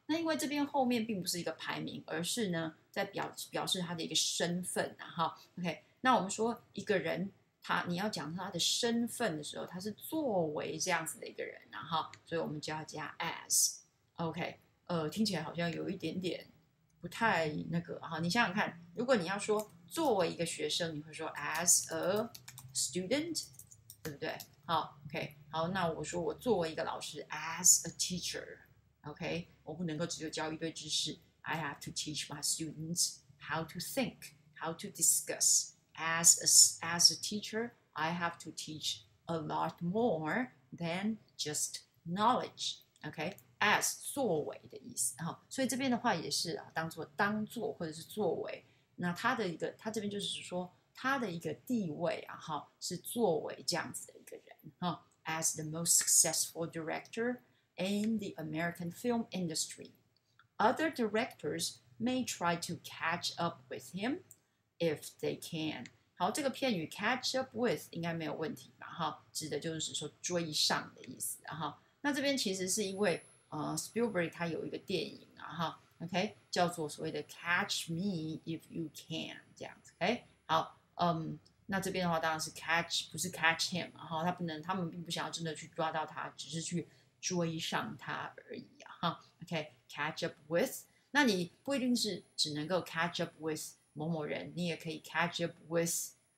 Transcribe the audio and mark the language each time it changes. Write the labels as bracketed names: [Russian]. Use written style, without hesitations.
[Chinese] 那因为这边后面并不是一个排名，而是呢在表示他的一个身份啊，哈，OK，那我们说一个人，你要讲他的身份的时候，他是作为这样子的一个人，然后，所以我们就要加 as，OK，听起来好像有一点点不太那个哈。你想想看，如果你要说作为一个学生，你会说 [English] as a student， [Chinese] 对不对？好，OK，好，那我说我作为一个老师 [English] as a teacher。 [Chinese] OK，我不能够只有教一堆知识。 [English] I have to teach my students how to think, how to discuss. As a teacher, I have to teach a lot more than just knowledge. [Chinese] OK，as 作为的意思哈，所以这边的话也是啊，当做或者是作为，那他的一个，他这边就是说他的一个地位啊哈，是作为这样子的一个人哈， [English] as the most successful director in the American film industry. Other directors may try to catch up with him if they can. [Chinese] 好，这个片语 catch up with 应该没有问题吧？哈，指的就是说追上的意思。哈，那这边其实是因为Spielberg 他有一个电影啊，哈，OK，叫做所谓的 Catch Me If You Can 这样子。 OK，好，那这边的话当然是 catch，不是 catch him 啊，哈，他们并不想要真的去抓到他，只是去追上他而已啊，哈，OK，catch up with，那你不一定是只能够 catch up with 某某人，你也可以 catch up with